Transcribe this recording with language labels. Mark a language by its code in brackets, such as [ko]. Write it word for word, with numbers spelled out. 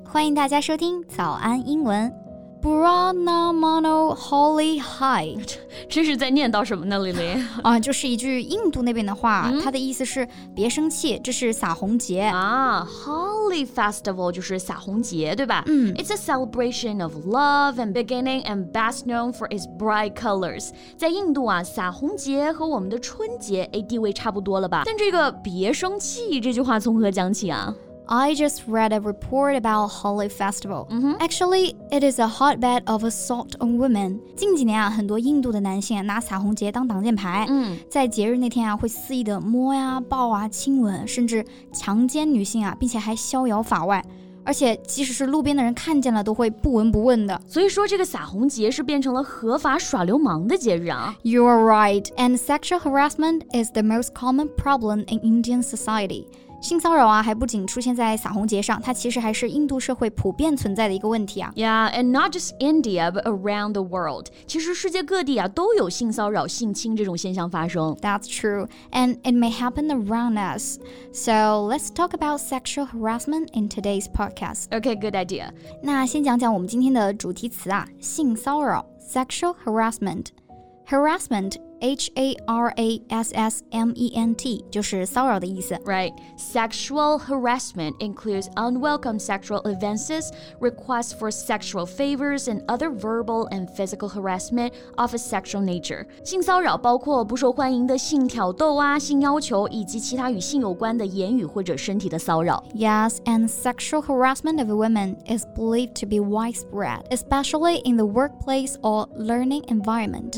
[zh] 欢迎大家收听早安英文。 Brahmano Holy High. 这是在念叨什么呢 Lily？啊，就是一句印度那边的话，它的意思是别生气，这是洒红节啊。Holi Festival 就是洒红节，对吧？嗯 [en] It's a celebration of love and beginning and best known for its bright colors. [zh] 在印度啊，洒红节和我们的春节诶地位差不多了吧？但这个别生气这句话从何讲起啊？ [en] I just read a report about Holi Festival.、Mm-hmm. Actually, it is a hotbed of assault on women. [zh] 近几年啊，很多印度的男性啊拿彩虹节当挡箭牌，嗯，在节日那天啊，会肆意的摸呀、抱啊、亲吻，甚至强奸女性啊，并且还逍遥法外。而且即使是路边的人看见了都会不闻不问的。所以说这个洒红节是变成了合法耍流氓的节日啊。 [en] You are right. And sexual harassment is the most common problem in Indian society. [zh] 性骚扰啊，还不仅出现在洒红节上，它其实还是印度社会普遍存在的一个问题啊。 [en] Yeah, and not just India, but around the world. [zh] 其实世界各地啊都有性骚扰、性侵这种现象发生。 [en] That's true, and it may happen around us. So let's talk about sexual harassment in today's podcast. Okay, good idea. [zh] 那先讲讲我们今天的主题词啊，性骚扰 （sexual harassment）。Harassment. H-A-R-A-S-S-M-E-N-T 就是骚扰的意思 [en] Right. Sexual harassment includes unwelcome sexual advances, requests for sexual favors, and other verbal and physical harassment of a sexual nature. [zh] 性骚扰包括不受欢迎的性挑逗啊、性要求以及其他与性有关的言语或者身体的骚扰 [en] Yes, and sexual harassment of women is believed to be widespread, especially in the workplace or learning environment.